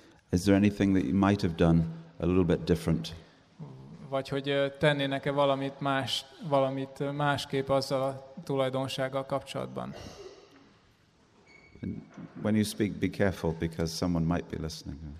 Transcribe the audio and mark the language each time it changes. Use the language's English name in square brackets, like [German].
[English] Is there anything that you might have done a little bit different? [Hungarian] Vagy hogy tennének-e valamit másképp azzal a tulajdonsággal kapcsolatban? [English] When you speak, be careful, because someone might be listening.